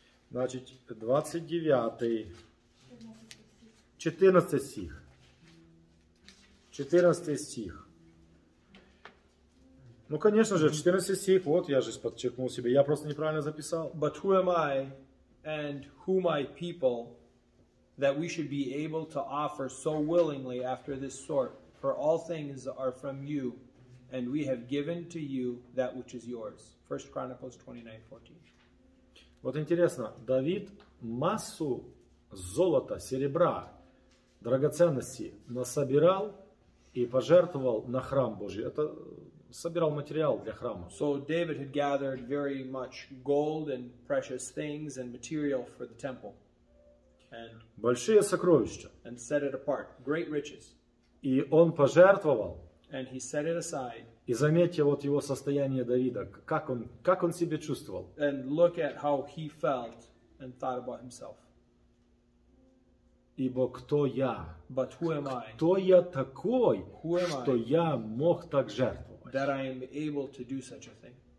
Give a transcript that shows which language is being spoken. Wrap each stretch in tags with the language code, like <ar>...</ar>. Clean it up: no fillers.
<ru>Значит, 29-й, 14 стих, 14 стих. Ну, конечно же, 14 стих, вот я же подчеркнул себе, я просто неправильно записал.</ru> <en>But who am I and who my people that we should be able to offer so willingly after this sort? For all things are from you, and we have given to you that which is yours. 1 Chronicles 29:14.</en> <ru>Вот интересно, Давид массу золота, серебра, драгоценностей насобирал и пожертвовал на храм Божий. Это собирал материал для храма.</ru> <en>So David had gathered very much gold and precious things and material for the temple. And</en> <ru>большие сокровища.</ru> <en>And set it apart, great riches.</en> <ru>И он пожертвовал.</ru> <en>And he set it aside.</en> <ru>И заметьте вот его состояние Давида, как он себя чувствовал.</ru> <en>And look at how he felt and thought about himself.</en> <ru>Ибо кто я?</ru> <en>But who am I?</en> <ru>Кто я такой, что я мог так жертвовать?</ru> <en>That I am able to do such a thing.</en>